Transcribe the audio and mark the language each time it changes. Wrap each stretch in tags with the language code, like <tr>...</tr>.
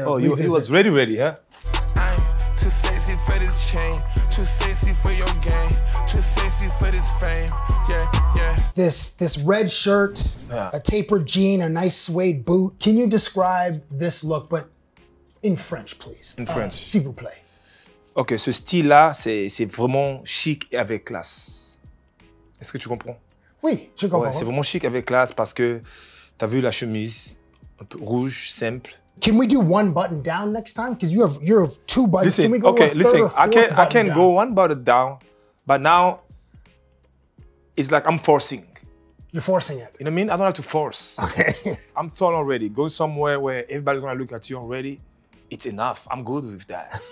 <en>revisit. Oh, he was ready, huh? Too sexy for this chain, too sexy for your game, too sexy for this fame, yeah, yeah. This red shirt, yeah. A tapered jean, a nice suede boot. Can you describe this look, but in French, please? In French.</en> <fr>S'il vous plaît. Okay, ce style-là, c'est vraiment chic et avec classe. Est-ce que tu comprends? Oui, je comprends. Ouais, c'est vraiment chic avec classe parce que t'as vu la chemise, un peu rouge, simple.</fr> <en>Can we do one button down next time? Because you have two buttons. Listen, can we go okay, a third listen. Or fourth I can button go one button down, but now it's like I'm forcing. You're forcing it. You know what I mean? I don't like to force. Okay. I'm tall already. Going somewhere where everybody's gonna look at you already. It's enough. I'm good with that.</en>